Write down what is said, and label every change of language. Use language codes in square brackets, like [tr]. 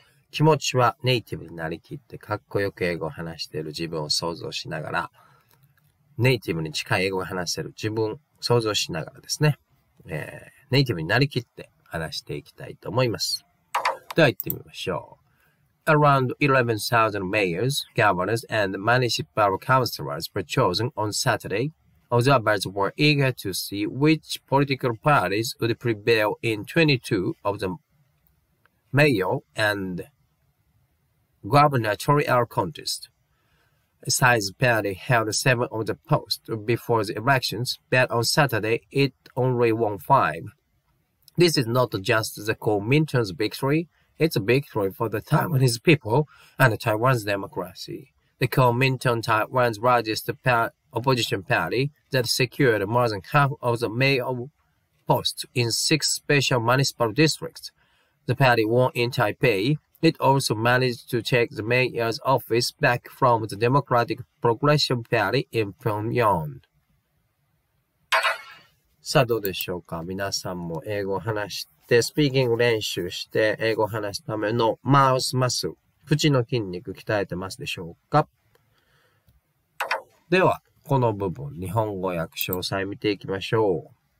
[ja] 気持ちはネイティブになりきって、かっこよく英語を話している自分を想像しながら、ネイティブに近い英語を話せる自分を想像しながらですね、ネイティブになりきって話していきたいと思います。では行ってみましょう。 [en] Around 11,000 mayors, governors, and municipal councillors were chosen on Saturday. Observers were eager to see which political parties would prevail in 22 of the mayor and gubernatorial contests. Size barely held 7 of the posts before the elections, but on Saturday it only won 5. This is not just the Kuomintang's victory, it's a victory for the Taiwanese people and Taiwan's democracy. The Kuomintang, Taiwan's largest opposition party that secured more than half of the mayor posts in 6 special municipal districts. The party won in Taipei. It also managed to take the mayor's office back from the Democratic Progression Party in Pyongyang. [ja] さあどうでしょうか。皆さんも英語を話して、スピーキング練習して、英語を話すためのマウスマス、口の筋肉鍛えてますでしょうか。では、この部分、日本語訳詳細見ていきましょう。